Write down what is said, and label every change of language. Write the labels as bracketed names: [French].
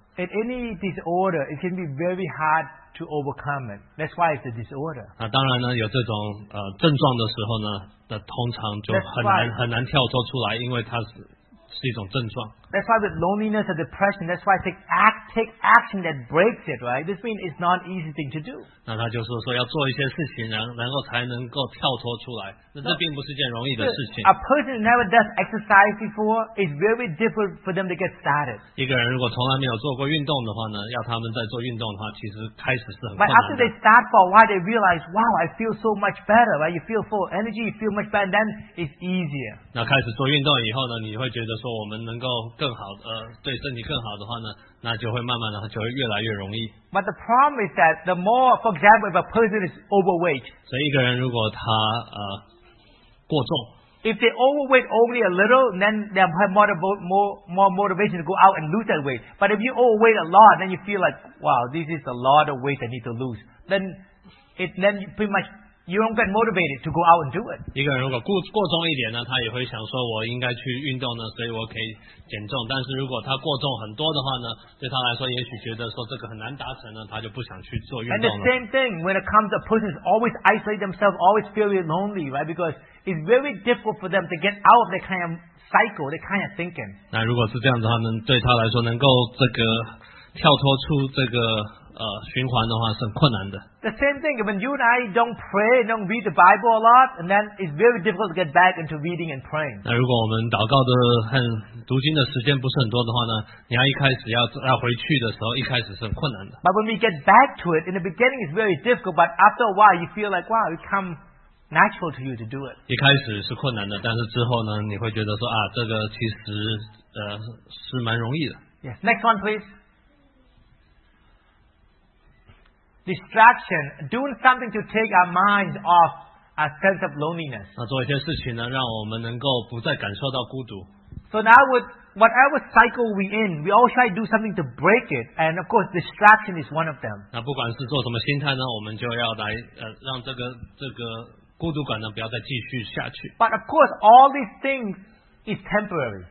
[English] in any disorder, it can be very hard to overcome it. That's why it's a disorder. [Chinese] 那当然呢，有这种症状的时候呢，那通常就很难跳脱出来，因为它是。是一种症状。 [English] That's why with loneliness and depression, that's why I say take action that breaks it, right? This means it's not an easy thing to do. [Chinese] 那他就是说要做一些事情，然后才能够跳脱出来。那这并不是件容易的事情。 [English] A person who never does exercise before is very difficult for them to get started. [Chinese] 一个人如果从来没有做过运动的话呢，要他们在做运动的话，其实开始是很困难的。 [English] But after they start for a while, they realize, wow, I feel so much better, right? You feel full of energy, you feel much better, then it's easier. [Chinese] 那开始做运动以后呢，你会觉得说我们能够更好，对身体更好的话呢，那就会慢慢的就会越来越容易。 [English] But the problem is that the more, for example, if a person is overweight, [Chinese] 所以一个人如果他过重 [English] ，if they overweight only a little, then they have more motivation to go out and lose that weight. But if you overweight a lot, then you feel like, wow, this is a lot of weight I need to lose. Then you pretty much you don't get motivated to go out and do it. [Chinese] 一个人如果过重一点呢，他也会想说，我应该去运动呢，所以我可以减重。但是如果他过重很多的话呢，对他来说，也许觉得说这个很难达成呢，他就不想去做运动了。 [English] And the same thing when it comes to persons always isolate themselves, always feeling lonely, right? Because it's very difficult for them to get out of that kind of cycle, that kind of thinking. [Chinese] 那如果是这样的话呢，对他来说能够这个跳脱出这个循环的话是很困难的。 [English] The same thing when you and I don't pray, don't read the Bible a lot, and then it's very difficult to get back into reading and praying. [Chinese] 那如果我们祷告的和读经的时间不是很多的话呢，你要一开始要回去的时候，一开始是很困难的。 [English] But when we get back to it, in the beginning it's very difficult, but after a while you feel like, wow, it comesnatural to you to do it. [Chinese] 一开始是困难的，但是之后呢，你会觉得说啊，这个其实是蛮容易的。 [English] Yes, next one, please. Distraction, doing something to take our minds off a sense of loneliness. [Chinese] 那做一些事情呢，让我们能够不再感受到孤独。 [English] So now with whatever cycle we in, we all try to do something to break it, and of course, distraction is one of them. [Chinese] 那不管是做什么心态呢，我们就要来让这个。孤独感呢，不要再继续下去。 [English] But of course, all these things is temporary.